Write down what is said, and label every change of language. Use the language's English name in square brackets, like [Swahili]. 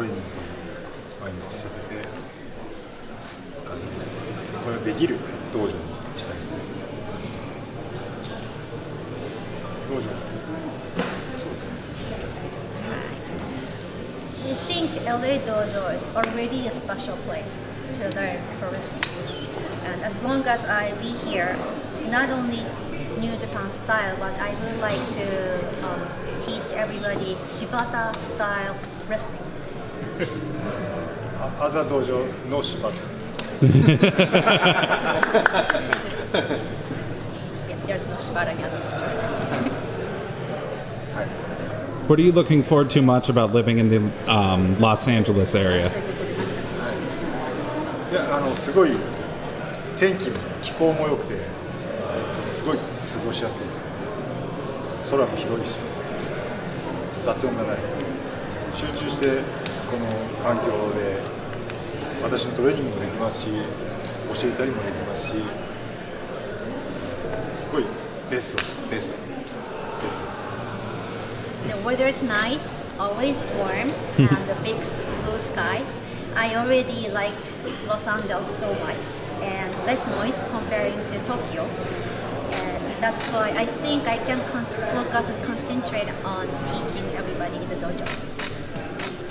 [Japanese] あ、もう特別なものです。ここは私がいる限り、新日本伝統、アルファ、私の経験を生かしたトレーニングを毎日させて、それができる道場にしたい。道場。そうです [English] ね。I think LA Dojo is already a special place to learn pro wrestling. And as long as I be here, not only New Japan style, but I would like to teach everybody Shibata style wrestling. [Japanese] Aza Dojo no Shibata. [English] Yeah, there's no Shibata yet. What are you looking forward to much about living in the Los Angeles area? [Japanese] Yeah, すごい天気も気候も良くてすごい過ごしやすいです。空も広いし雑音がない。集中してこの環境で私のトレーニングもできますし、教えたりもできますし、すごいベスト。 [English] The weather is nice, always warm, and the big blue skies. I already like Los Angeles so much, and less noise comparing to Tokyo. And that's why I think I can focus and concentrate on teaching everybody in the dojo.